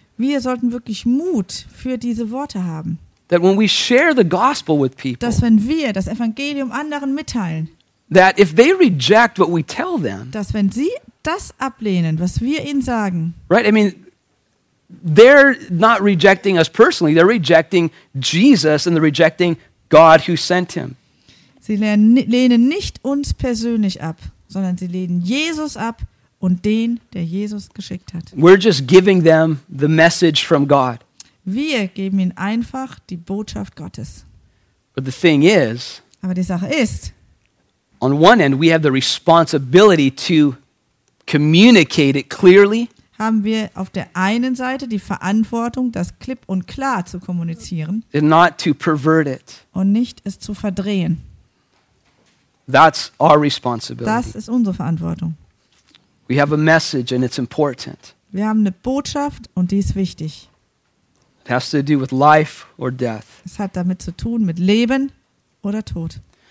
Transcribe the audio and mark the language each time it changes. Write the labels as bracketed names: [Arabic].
[German] Wir sollten wirklich Mut für diese Worte haben. [English] That when we share the gospel with people. [German] Dass wenn wir das Evangelium anderen mitteilen. [English] That if they reject what we tell them. [German] Dass wenn sie das ablehnen, was wir ihnen sagen. [English] Right, I mean, they're not rejecting us personally. They're rejecting Jesus and they're rejecting God who sent him. [German] Sie lehnen nicht uns persönlich ab, sondern sie lehnen Jesus ab und den, der Jesus geschickt hat. [English] We're just giving them the message from God. [German] Wir geben ihnen einfach die Botschaft Gottes. [English] But the thing is, [German] aber die Sache ist, [English] on one end we have the responsibility to communicate it clearly. [German] Haben wir auf der einen Seite die Verantwortung, das klipp und klar zu kommunizieren, [English] and not to pervert it. [German] Und nicht es zu verdrehen. [English] That's our responsibility. [German] Das ist unsere Verantwortung. [English] We have a message and it's important. [German] Wir haben eine Botschaft und die ist wichtig. [English] It has to do with life or death. [German] Es hat damit zu tun mit Leben oder Tod.